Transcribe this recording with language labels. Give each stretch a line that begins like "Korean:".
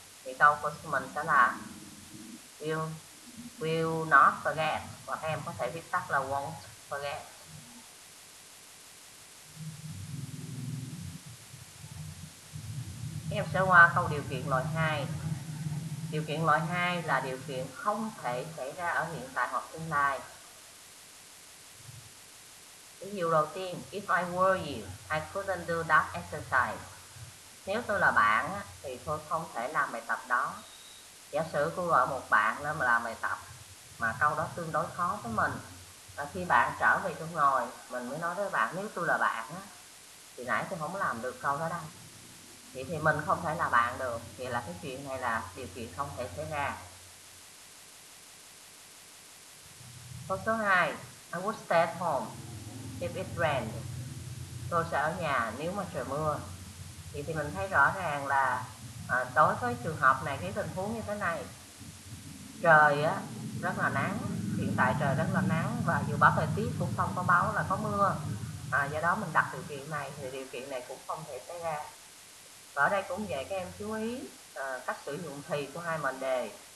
Vietnamese: Thì câu của mình sẽ là
English: will not forget,
Vietnamese: hoặc em có thể viết tắt là
English: won't forget.
Vietnamese: Em sẽ qua câu điều kiện loại 2. Điều kiện loại 2 là điều kiện không thể xảy ra ở hiện tại hoặc tương lai. Ví dụ đầu tiên,
English: if I were you, I couldn't do that exercise.
Vietnamese: Nếu tôi là bạn thì tôi không thể làm bài tập đó. Giả sử cô gọi một bạn lên mà làm bài tập mà câu đó tương đối khó với mình, và khi bạn trở về chỗ ngồi, mình mới nói với bạn, nếu tôi là bạn thì nãy tôi không làm được câu đó đâu. Vậy thì mình không thể là bạn được, thì là cái chuyện này là điều kiện không thể xảy ra. Câu số 2,
English: I would stay at home if it rained.
Vietnamese: Tôi sẽ ở nhà nếu mà trời mưa. Vậy thì mình thấy rõ ràng là đối với trường hợp này, cái tình huống như thế này, trời á rất là nắng, hiện tại trời rất là nắng và dự báo thời tiết cũng không có báo là có mưa. Do đó mình đặt điều kiện này thì điều kiện này cũng không thể xảy ra. Và ở đây cũng vậy, các em chú ý cách sử dụng thì của hai mệnh đề.